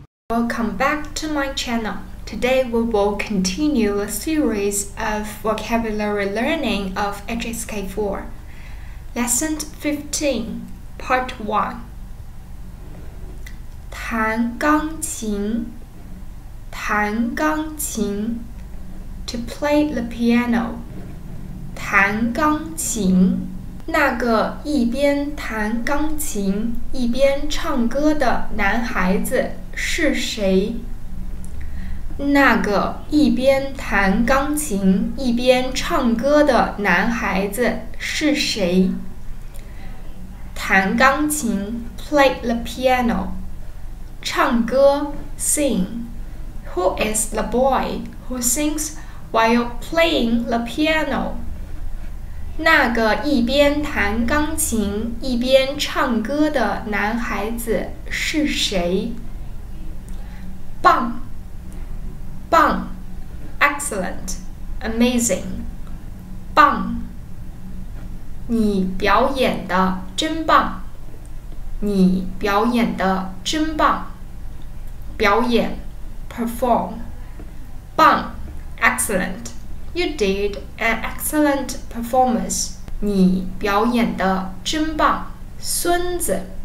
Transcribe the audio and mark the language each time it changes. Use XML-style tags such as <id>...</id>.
<en>Welcome back to my channel. Today we will continue a series of vocabulary learning of HSK4. Lesson 15, Part 1.</en> <zh>弹钢琴，弹钢琴</zh> <en>To play the piano.</en> <zh>弹钢琴，那个一边弹钢琴一边唱歌的男孩子是谁？那个一边弹钢琴一边唱歌的男孩子是谁？</zh> <en>弹钢琴 play the piano 唱歌 sing Who is the boy who sings while playing the piano?</en> <zh>那个一边弹钢琴一边唱歌的男孩子是谁？棒棒 excellent, amazing, 棒你表演的真棒你表演的真棒表演 perform 棒 excellent</zh> <en>You did an excellent performance</en> <zh>你表演的真棒孙子</zh>